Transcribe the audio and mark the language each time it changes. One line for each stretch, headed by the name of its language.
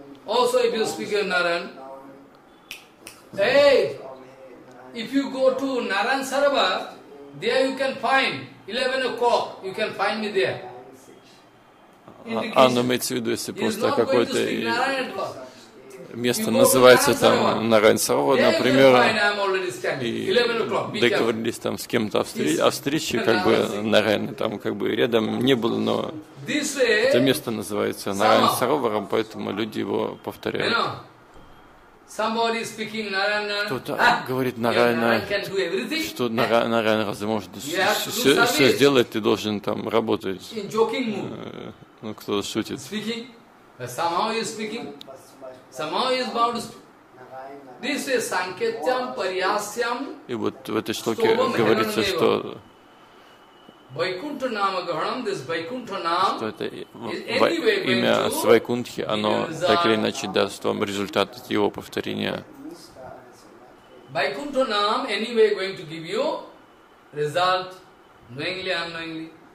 English: Also, if you speak in Naran, hey, if you go to Naran Sarovar, there you can find 11 o'clock, you can find me there.
Russian: Indication. А, ну, имеется в виду, если просто какой-то место называется там Наран Сарова, например, и договорились там с кем-то о встрече, как бы Наран, там как бы рядом не было, но это место называется Наран Сарова, поэтому люди его повторяют. Кто-то говорит Нарайана, что Нарайана разве может все сделать, ты должен там работать. Ну, кто-то шутит. И вот в этой шлоке говорится, что имя Вайкунтхи, оно так или иначе даст вам результат его повторения.
English: Вайкунтха нам anyway going to give you result knowingly and unknowingly.